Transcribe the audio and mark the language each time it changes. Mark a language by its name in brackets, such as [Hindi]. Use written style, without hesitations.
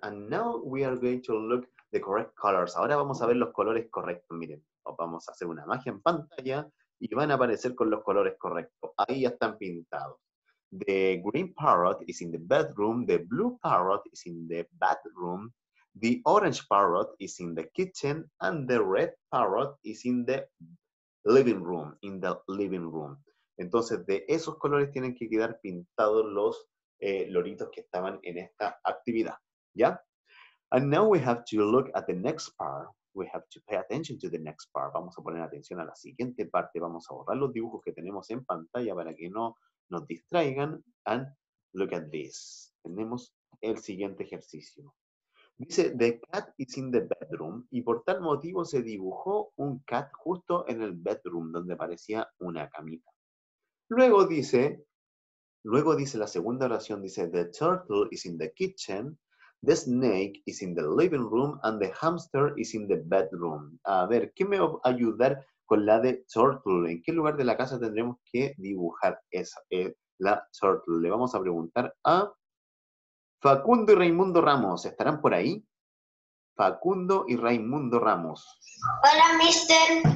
[English] And now we are going to look the correct colors. [Spanish] Ahora vamos a ver los colores correctos. Miren, vamos a hacer una magia en pantalla y van a aparecer con los colores correctos. Ahí ya están pintados. [English] The green parrot is in the bedroom. The blue parrot is in the bathroom. The orange parrot is in the kitchen. And the red parrot is in the living room. In the living room. [Spanish] Entonces, de esos colores tienen que quedar pintados los loritos que estaban en esta actividad. ¿Ya? [English] And now we have to look at the next part. We have to pay attention to the next part. [Spanish] Vamos a poner atención a la siguiente parte. Vamos a borrar los dibujos que tenemos en pantalla para que no nos distraigan, [English] and look at this. [Spanish] Tenemos el siguiente ejercicio. Dice, [English] the cat is in the bedroom, [Spanish] y por tal motivo se dibujó un cat justo en el bedroom, donde parecía una camita. Luego dice la segunda oración, dice, [English] the turtle is in the kitchen, the snake is in the living room, and the hamster is in the bedroom. [Spanish] A ver, ¿qué me va a ayudar con la de turtle? ¿En qué lugar de la casa tendremos que dibujar esa, la turtle? Le vamos a preguntar a Facundo y Raimundo Ramos. ¿Estarán por ahí? Facundo y Raimundo Ramos. Hola, mister.